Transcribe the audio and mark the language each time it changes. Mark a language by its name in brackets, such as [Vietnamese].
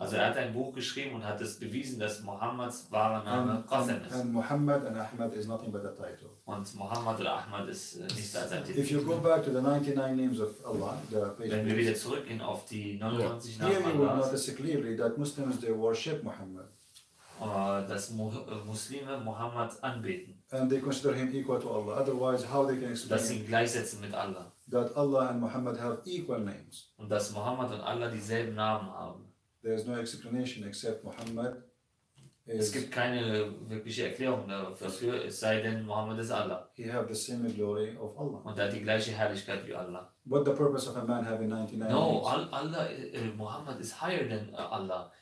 [German] Also er hat ein Buch geschrieben und hat es bewiesen, dass Muhammads wahrer Name Qasim ist. [English] And Muhammad and Ahmad is nothing but a title. [German] Und Muhammad oder Ahmad ist nichts als ein Titel. [English] If you go back to the 99 names of Allah, [German] wenn wir wieder zurückgehen auf die 99 Namen Allahs, [English] that Muslims they worship Muhammad. [German] Dass Muslime Muhammad anbeten. [English] And they consider him equal to Allah. Otherwise, how they can explain? [German] Dass sie gleichsetzen mit Allah. [English] That Allah and Muhammad have equal names. [German] Und dass Muhammad und Allah dieselben Namen haben. [English] There is no explanation except Muhammad. [German] Es gibt keine wirkliche Erklärung dafür, es sei denn, Muhammad ist Allah. [English] He have the same glory of Allah. [German] Und er hat die gleiche Herrlichkeit wie Allah. [English] What the purpose of a man having 99 names? No, Allah, Muhammad is higher than Allah.